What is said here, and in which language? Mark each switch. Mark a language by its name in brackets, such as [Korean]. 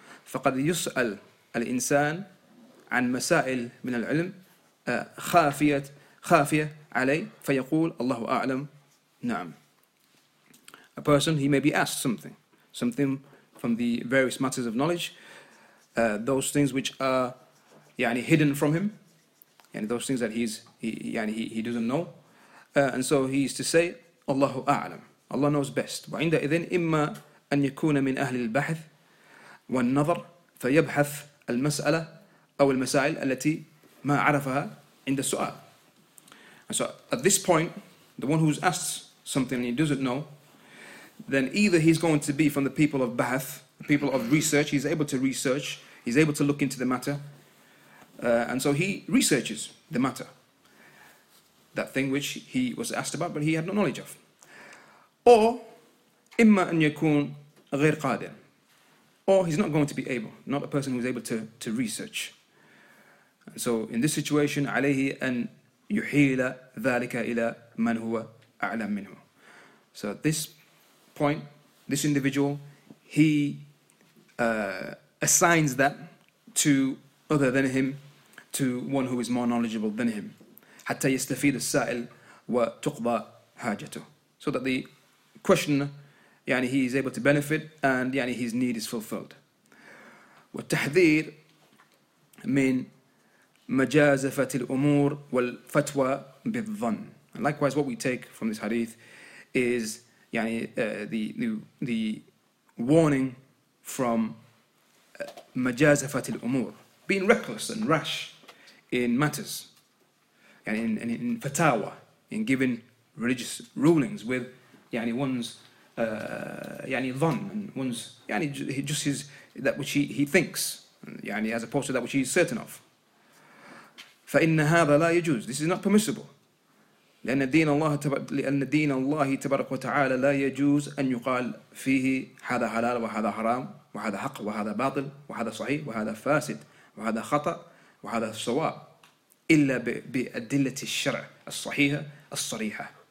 [Arabic] فَقَدْ يُسْأَلْ الْإِنسَانِ عَنْ مَسَائِلْ مِنَ الْعِلْمِ خَافِيَةً عليه فيقول الله أعلم نعم. [English] A person, he may be asked something from the various matters of knowledge, those things which are يعني hidden from him, يعني those things that he doesn't know, and so he is to say [Arabic] الله أعلم, [English] Allah knows best. [Arabic] وعند إذن إما أن يكون من أهل البحث والنظر فيبحث المسألة أو المسائل التي ما عرفها عند السؤال. [English] So at this point, the one who's asked something and he doesn't know, then either he's going to be from the people of Bahth, the people of research, he's able to research, he's able to look into the matter, and so he researches the matter, that thing which he was asked about but he had no knowledge of. [Arabic] Or, إِمَّا أَن يَكُونْ غَيْرْ قَادِرٍ. [English] Or he's not going to be able, not a person who's able to research. And so in this situation, [Arabic] عَلَيْهِ أَن يُحِيلَ ذَلِكَ إِلَى مَنْ هُوَ أَعْلَمْ مِنْهُ. [English] So at this point, this individual, he assigns that to other than him, to one who is more knowledgeable than him. [Arabic] حَتَّى يَسْتَفِيدَ السَّائِلِ وَتُقْضَى حَاجَتُهُ. [English] So that the questioner, يعني he is able to benefit and يعني his need is fulfilled. [Arabic] وَالتَّحْذِيرُ مِنْ مجازفة الأمور والفتوى بالظن. [English] And likewise, what we take from this hadith is يعني the warning from [Arabic] مجازفة الأمور, [English] being reckless and rash in matters, يعني in fatawa, in giving religious rulings with يعني one's يعني ظن, and one's يعني just his, that which he thinks, يعني as opposed to that which he is certain of. [Arabic] فَإِنَّ هَذَا لَا يَجُوزُ. [English] This is not permissible. [Arabic] لأن دين الله تبارك وتعالى لا يجوز أن يقال فيه هذا حلال وهذا حرام وهذا حق وهذا باطل وهذا صحيح وهذا فاسد وهذا خطأ وهذا صواب إلا بأدلة الشرع الصحيحة الصريحة.